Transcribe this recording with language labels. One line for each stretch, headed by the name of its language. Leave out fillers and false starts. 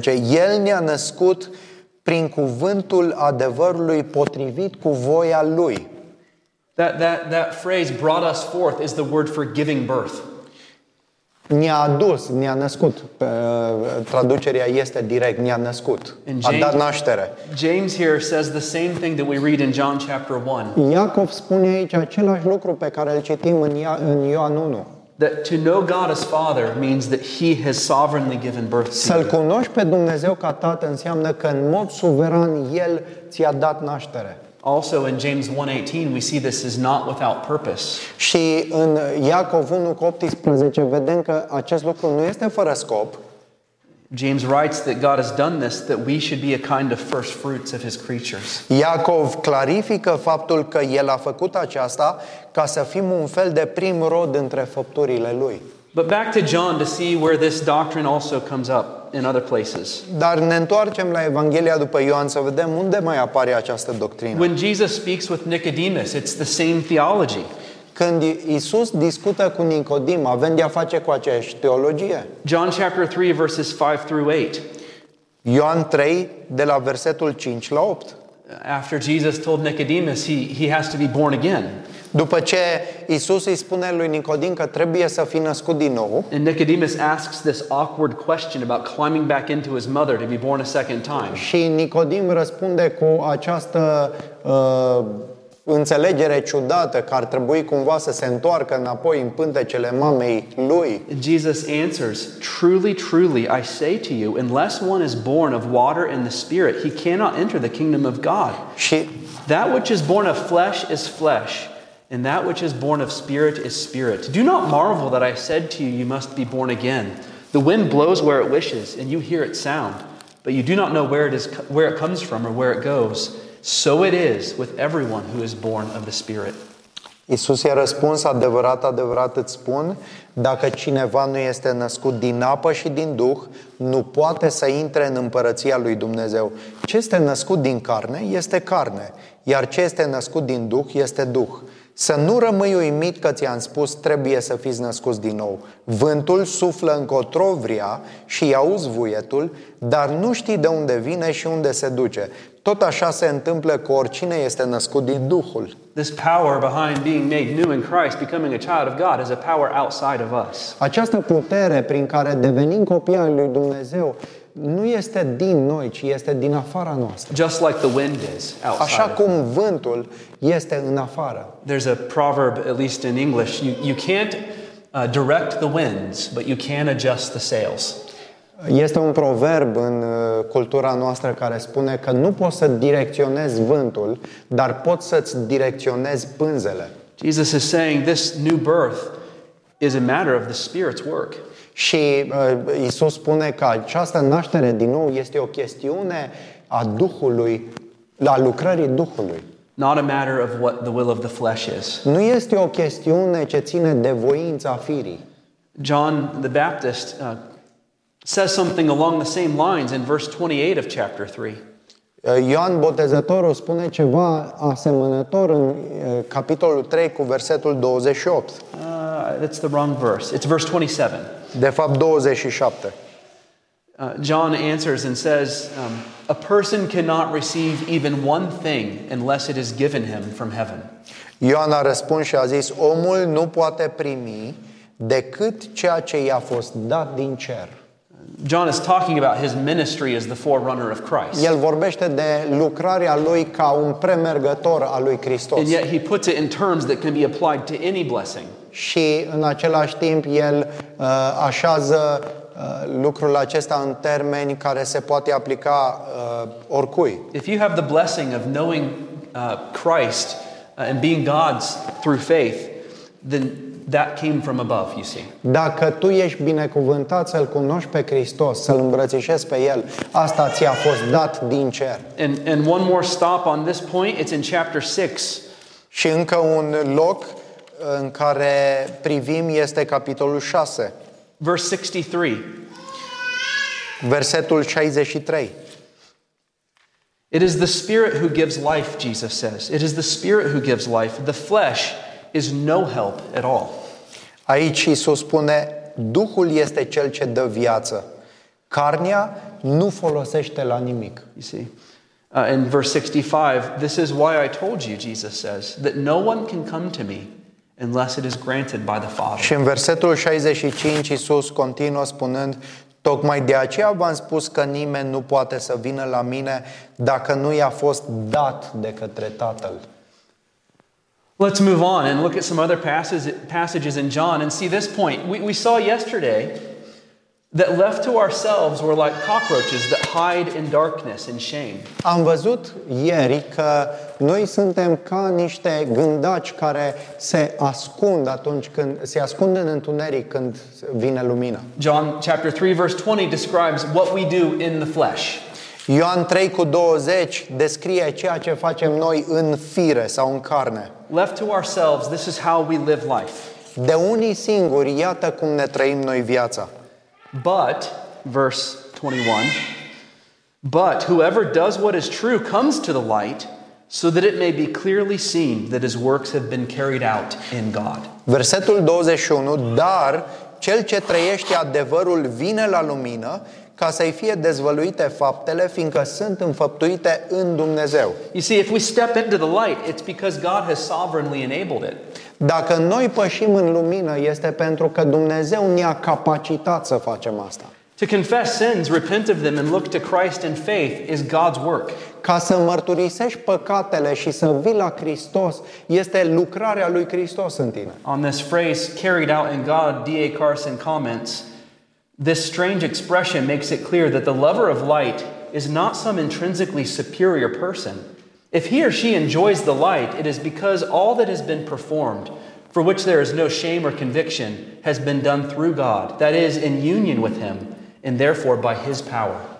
Romanian: El ne-a născut prin cuvântul adevărului potrivit cu voia lui.
English: That phrase brought us forth is the word for giving birth.
Romanian: Ne-a adus, ne-a născut. Traducerea este direct, ne-a născut.
English: James,
Romanian: a dat naștere.
English: James here says the same thing that we read in John chapter 1.
Romanian: Iacov spune aici același lucru pe care îl citim în Ioan 1.
English: That to know God as Father means that he has sovereignly given birth to you.
Romanian: Să-l cunoști pe Dumnezeu ca tată înseamnă că în mod suveran el ți-a dat naștere.
English: Also in James 1:18 we see this is not without purpose.
Romanian: Și în Iacov 1:18 vedem că acest lucru nu este fără scop.
English: James writes that God has done this that we should be a kind of first fruits of his creatures.
Romanian: Iacov clarifică faptul că el a făcut aceasta ca să fim un fel de prim rod între făpturile lui.
English: But back to John to see where this doctrine also comes up in other places.
Romanian: Dar ne întoarcem la Evanghelia după Ioan să vedem unde mai apare această doctrină.
English: When Jesus speaks with Nicodemus, it's the same theology.
Romanian: Când Iisus discută cu Nicodim, avem de-a face cu aceeași teologie.
English: John chapter 3 verses 5 through 8.
Romanian: Ioan 3 de la versetul 5 la 8.
English: After Jesus told Nicodemus he has to be born again.
Romanian: După ce Iisus îi spune lui Nicodim că trebuie să fie născut din nou.
English: And Nicodemus asks this awkward question about climbing back into his mother to be born a second time.
Romanian: Și Nicodim răspunde cu această înțelegere ciudată că ar trebui cumva să se întoarcă înapoi în pântecele mamei lui.
English: Jesus answers, truly, truly, I say to you, unless one is born of water and the Spirit, he cannot enter the kingdom of God.
Romanian: Și
English: that which is born of flesh is flesh. And that which is born of spirit is spirit. Do not marvel that I said to you, you must be born again. The wind blows where it wishes, and you hear its sound, but you do not know where it is, where it comes from or where it goes. So it is with everyone who is born of the Spirit.
Romanian: Iisus i-a răspuns, adevărat, adevărat îți spun, dacă cineva nu este născut din apă și din Duh, nu poate să intre în împărăția lui Dumnezeu. Ce este născut din carne, este carne, iar ce este născut din Duh, este Duh. Să nu rămâi uimit că ți-am spus, trebuie să fiți născut din nou. Vântul suflă încotro vrea și auzi vuietul, dar nu știi de unde vine și unde se duce. Tot așa se întâmplă cu oricine este născut din Duhul.
English: This power behind being made new in Christ, becoming a child of God, is a power outside of us.
Romanian: Această putere prin care devenim copii ai lui Dumnezeu nu este din noi, ci este din afara noastră.
English: Just like the wind is outside.
Romanian: Așa cum vântul este în afară.
English: There's a proverb, at least in English, you can't direct the winds, but you can adjust the sails.
Romanian: Este un proverb în cultura noastră care spune că nu poți să direcționezi vântul, dar poți să-ți direcționezi pânzele.
English: Jesus is saying this new birth is a matter of the Spirit's work.
Romanian: Și Iisus spune că această naștere din nou este o chestiune a Duhului, la lucrării Duhului.
English: Not a matter of what the will of the flesh is.
Romanian: Nu este o chestiune ce ține de voința firii.
English: John the Baptist says something along the same lines in verse 28 of chapter 3.
Romanian: Ioan Botezătorul spune ceva asemănător în capitolul 3 cu versetul 28.
English: That's the wrong verse. It's verse 27.
Romanian: De fapt, 27.
English: John answers and says, a person cannot receive even one thing unless it is given him from heaven.
Romanian: Ioan a răspuns și a zis, omul nu poate primi decât ceea ce i-a fost dat din cer.
English: John is talking about his ministry as the forerunner of Christ.
Romanian: El vorbește de lucrarea lui ca un premergător al lui Hristos.
English: And yet he puts it in terms that can be applied to any blessing.
Romanian: Și în același timp el așează lucrul acesta în termeni care se poate aplica oricui.
English: If you have the blessing of knowing Christ and being God's through faith, then that came from above, you see.
Romanian: Dacă tu ești binecuvântat să-l cunoști pe Hristos, să-l îmbrățișezi pe el, asta ți-a fost dat din cer.
English: And one more stop on this point, it's in chapter 6.
Romanian: Și încă un loc în care privim este capitolul 6.
English: Verse 63.
Romanian: Versetul 63.
English: It is the Spirit who gives life, Jesus says. It is the Spirit who gives life. The flesh is no help at all.
Romanian: Aici Iisus spune, Duhul este cel ce dă viață. Carnea nu folosește la nimic.
English: You see? In verse 65, this is why I told you, Jesus says, that no one can come to me unless it is granted by the Father.
Romanian: Și în versetul 65 Iisus continuă spunând, tocmai de aceea v-am spus că nimeni nu poate să vină la mine dacă nu i-a fost dat de către Tatăl.
English: Let's move on and look at some other passages in John and see this point. We saw yesterday That left to ourselves were like cockroaches that hide in darkness and shame.
Romanian: Am văzut ieri că noi suntem ca niște gândaci care se ascund atunci când se ascund în întuneric când vine lumina.
English: John chapter 3 verse 20 describes what we do in the flesh.
Romanian: Ioan 3 cu 20 descrie ceea ce facem noi în fire sau în carne.
English: Left to ourselves, this is how we live life.
Romanian: De unii singuri, iată cum ne trăim noi viața.
English: But, verse 21, but whoever does what is true comes to the light so that it may be clearly seen that his works have been carried out in God.
Romanian: Versetul 21, dar cel ce trăiește adevărul vine la lumină ca să-i fie dezvăluite faptele, fiindcă sunt înfăptuite în Dumnezeu.
English: You see, if we step into the light, it's because God has sovereignly enabled it.
Romanian: Dacă noi pășim în lumină, este pentru că Dumnezeu ne-a capacitat să facem asta.
English: To confess sins, repent of them, and look to Christ in faith is God's work.
Romanian: Ca să mărturisești păcatele și să vii la Hristos, este lucrarea lui Hristos în tine.
English: On this phrase, carried out in God, D.A. Carson comments, this strange expression makes it clear that the lover of light is not some intrinsically superior person. If he or she enjoys the light, it is because all that has been performed, for which there is no shame or conviction, has been done through God, that is, in union with him, and therefore by his power.